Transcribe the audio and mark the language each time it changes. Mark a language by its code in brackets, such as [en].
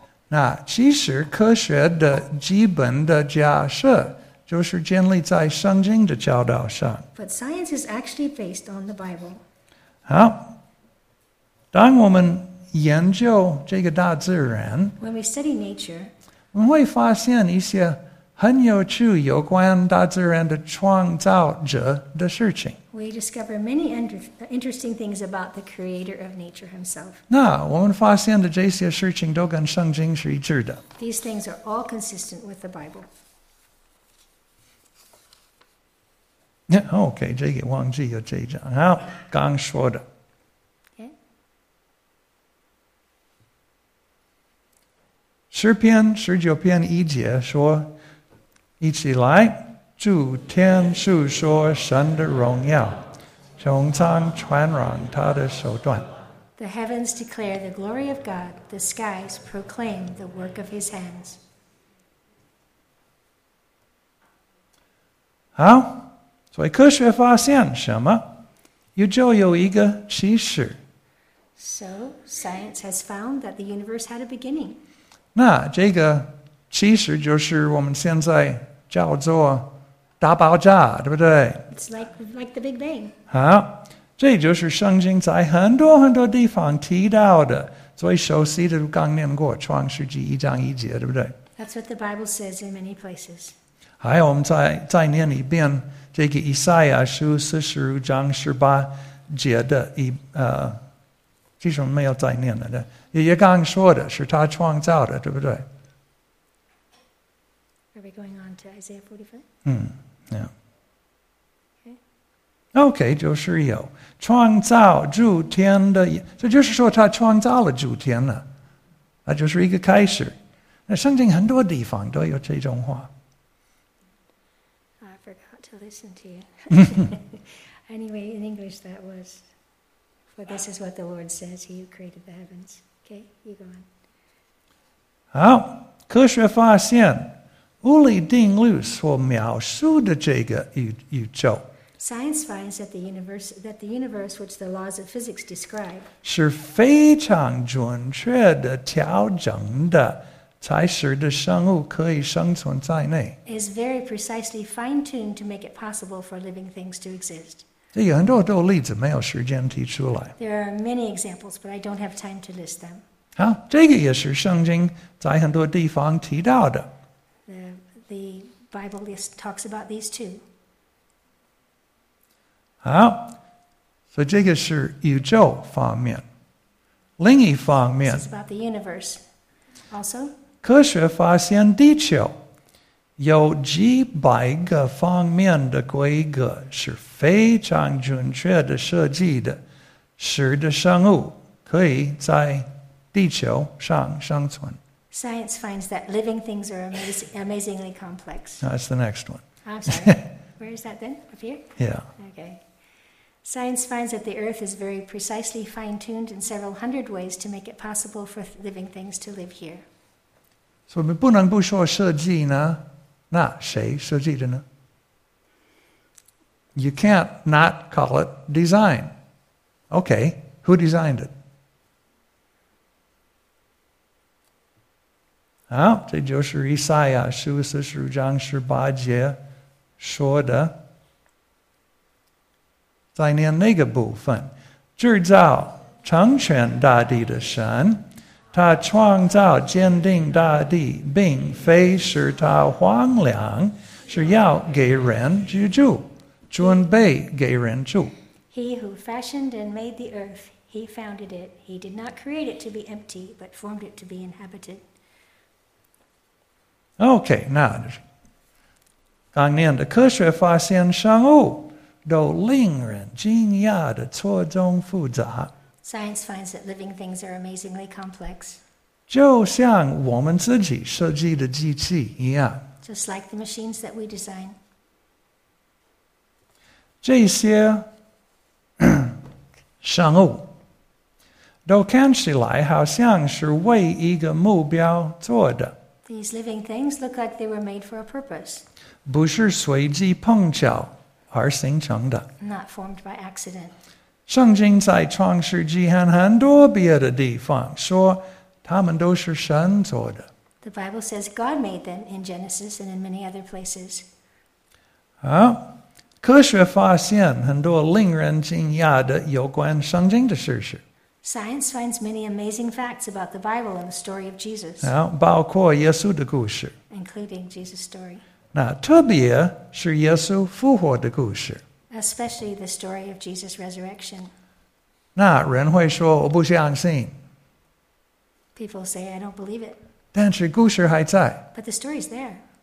[zh] 那其实科学的基本的假设。就是建立在圣经的教导上。 [en] But science is actually based on the Bible. [zh] 好，当我们研究这个大自然， [en] When we study nature, [zh] 我们会发现一些很有趣有关大自然的创造者的事情。 [en] We discover many interesting things about the creator of nature himself. [zh] 那我们发现的这些事情都跟圣经是一致的。 [en] These things are all consistent with the Bible. [zh] Yeah, okay, 这个忘记了这一章。好，刚说的。诗篇十九篇一节说，一起来，祝天述说神的荣耀，穹苍传扬他的手段。 [en] The heavens declare the glory of God, the skies proclaim the work of his hands. [zh] 好，所以科学发现什么？宇宙有一个起始。 [en] So, science has found that the universe had a beginning. [zh] 那这个其实就是我们现在叫做大爆炸，对不对 [en] ？It's like the Big Bang. [zh] 好，这就是圣经在很多很多地方提到的，最熟悉的刚念过《创世纪》一章一节，对不对 [en] ？That's what the Bible says in many places. [zh] 还有，我们再念一遍这个以赛亚书四十五章十八节的其实我们没有再念的。爷爷刚说的是他创造的，对不对 [en] ？Are we going on to Isaiah 45? 嗯 ，Yeah. [zh] Okay, 就是有创造诸天的，这就是说他创造了诸天了，那就是一个开始。那圣经很多地方都有这种话。 [en] I forgot to listen to you. Anyway, in English, that was. But this is what the Lord says: He who created the heavens. Okay, you go on. [zh] 好，科学发现物理定律所描述的这个宇宙。 [en] Science finds that the universe which the laws of physics describe [zh] 是非常准确的调整的，才使得生物可以生存在内。 [en] Is very precisely fine-tuned to make it possible for living things to exist. [zh] 这有很多很多例子，没有时间提出来。 [en] There are many examples, but I don't have time to list them. [zh] 好，这个也是圣经在很多地方提到的。 [en] The Bible list talks about these too. [zh] 好，所以这个是宇宙方面。另一方面 [en] ，This is about the universe. Also, [zh] 科学发现地球。有几百个方面的规格是非常准确的设计的，使得生物可以在地球上生存。 [en] Science finds that living things are amazingly complex. That's the next one. I'm sorry. Where is that then? Up here? Yeah. Okay. Science finds that the Earth is very precisely fine-tuned in several hundred ways to make it possible for living things to live here. [zh] 所以不能不说设计呢。那谁设计的呢 ？ [en] You can't not call it design. Okay, who designed it? [zh] 好，这就是以赛亚书四十五章十八节说的。再念那个部分：制造成全大地的神。他创造坚定大地，并非使他荒凉，是要给人居住，准备给人住。 [en] He who fashioned and made the earth, he founded it. He did not create it to be empty, but formed it to be inhabited. [zh] Okay, 那刚念的科学发现生物都令人惊讶的错综复杂。 [en] Science finds that living things are amazingly complex. [zh] 就像我们自己设计的机器一样。 [en] Just like the machines that we design. [zh] 这些生物都看起来好像是为一个目标做的。 [en] These living things look like they were made for a purpose. [zh] 不是随机碰巧而形成的。 [en] Not formed by accident. [zh] 圣经在创世纪和很多别的地方说，他们都是神做的。 [en] The Bible says God made them in Genesis and in many other places. [zh] 好，科学发现很多令人惊讶的有关圣经的事实。 [en] Science finds many amazing facts about the Bible and the story of Jesus. [zh] 啊，包括耶稣的故事。 [en] Including Jesus' story. [zh] 那特别是耶稣复活的故事。 [en] Especially the story of Jesus' resurrection. [zh] 那人会说我不相信。 [en] People say I don't believe it. [zh] 但是故事还在。 [en] But the story's there.